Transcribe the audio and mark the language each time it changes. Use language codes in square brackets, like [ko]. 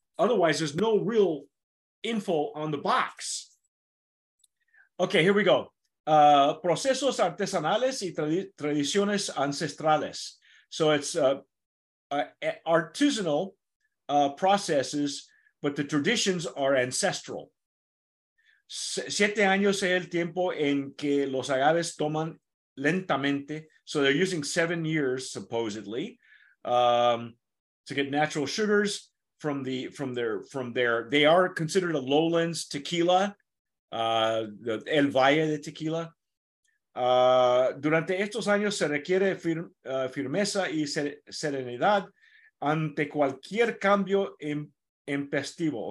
[en] Otherwise, there's no real info on the box. Okay, here we go. [es] Procesos artesanales y tradiciones ancestrales. [en] So it's artisanal processes, but the traditions are ancestral. [es] 7 años es el tiempo en que los agaves toman lentamente. [en] So they're using 7 years, supposedly, to get natural sugars from their, they are considered a lowlands tequila, the El Valle de Tequila. [es] Durante estos años se requiere firmeza y serenidad ante cualquier cambio intempestivo.